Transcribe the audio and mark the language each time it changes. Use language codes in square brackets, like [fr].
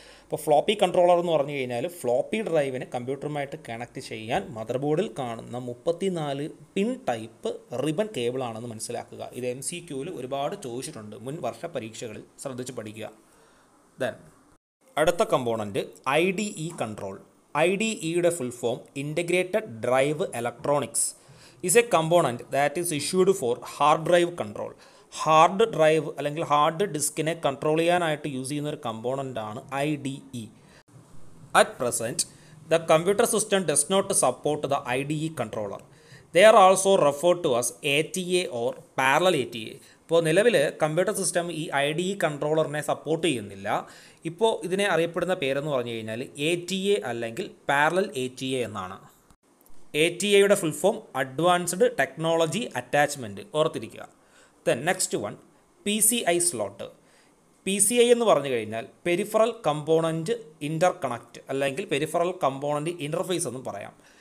[ml] അപ്പോൾ floppy controller എന്ന് പറഞ്ഞു കഴിഞ്ഞാൽ ഫ്ലോപ്പി ഡ്രൈവിനെ കമ്പ്യൂട്ടറുമായിട്ട് കണക്ട് ചെയ്യാൻ മദർ ബോർഡിൽ കാണുന്ന 34 പിൻ ടൈപ്പ് റിബൺ കേബിളാണെന്ന് മനസ്സിലാക്കുക. ഇത് എം സി ക്യൂവിൽ ഒരുപാട് ചോദിച്ചിട്ടുണ്ട്, മുൻ വർഷ പരീക്ഷകളിൽ ശ്രദ്ധിച്ച് പഠിക്കുക. ദെൻ അടുത്ത component I D E control. [en] IDE full form, Integrated Drive Electronics, is a component that is issued for hard drive control. [ml] Hard drive അല്ലെങ്കിൽ ഹാർഡ് ഡിസ്കിനെ കൺട്രോൾ ചെയ്യാനായിട്ട് യൂസ് ചെയ്യുന്ന ഒരു കമ്പോണൻ്റ് ആണ് IDE. [en] At present, the computer system does not support the IDE controller. They are also referred to as ATA or Parallel ATA. [ml] ഇപ്പോൾ നിലവിൽ computer system ഈ IDE കൺട്രോളറിനെ support ചെയ്യുന്നില്ല. ഇപ്പോൾ ഇതിനെ അറിയപ്പെടുന്ന പേരെന്ന് പറഞ്ഞു കഴിഞ്ഞാൽ ATA അല്ലെങ്കിൽ Parallel ATA എന്നാണ്. ATA യുടെ full form advanced technology attachment, ഓർത്തിരിക്കുക. Then next one, PCI slot. PCI എന്ന് പറഞ്ഞു കഴിഞ്ഞാൽ പെരിഫറൽ കമ്പോണൻറ്റ് ഇൻ്റർകണക്റ്റ് അല്ലെങ്കിൽ പെരിഫറൽ കമ്പോണൻറ്റ് ഇൻ്റർഫേസ് എന്നും പറയാം.